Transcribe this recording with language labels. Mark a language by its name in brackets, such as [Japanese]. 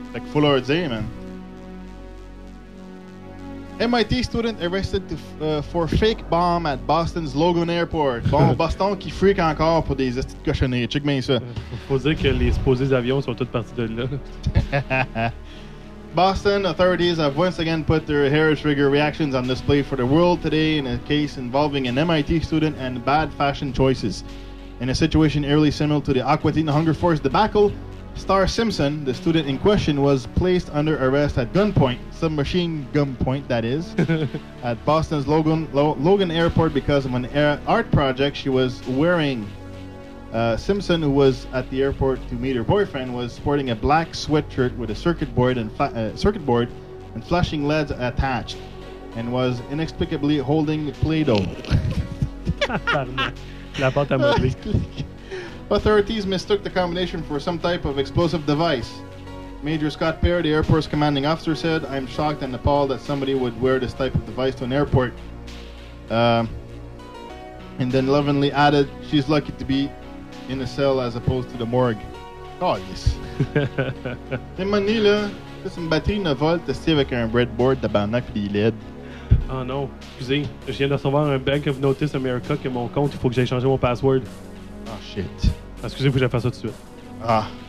[French] Fait qu'il faut leur dire, man. [English] MIT student arrested for fake bomb at Boston's Logan Airport. [French] Bon, Boston qui freak encore pour des astuces de cochonnerie. Check bien ça. Faut dire que les supposés avions sont tous partis de là. [English] Boston authorities have once again put their hair trigger reactions on display for the world today in a case involving an MIT student and bad fashion choices. In a situation eerily similar to the Aqua Teen Hunger Force debacle, Star Simpson, the student in question, was placed under arrest at gunpoint, submachine gun point, that is, at Boston's Logan Airport because of an art project she was wearing. Simpson, who was at the airport to meet her boyfriend, was sporting a black sweatshirt with a circuit board and flashing LEDs attached, and was inexplicably holding Play-Doh. [French] La porte à modeler. [English] Authorities mistook the combination for some type of explosive device. Major Scott Pear, the airport's commanding officer, said, "I'm shocked and appalled that somebody would wear this type of device to an airport." And then lovingly added, "She's lucky to be in a cell as opposed to the morgue." Oh, yes. [French] C'est mani, là. C'est une batterie 9 volts testée avec un breadboard de barnac et des LED. Oh non, excusez. Je viens de recevoir un Bank of Notice America que mon compte, il faut que j'aille changer mon password. [English] Ah, oh, shit. [French] Excusez, vous, j'ai fait ça tout de suite. Ah.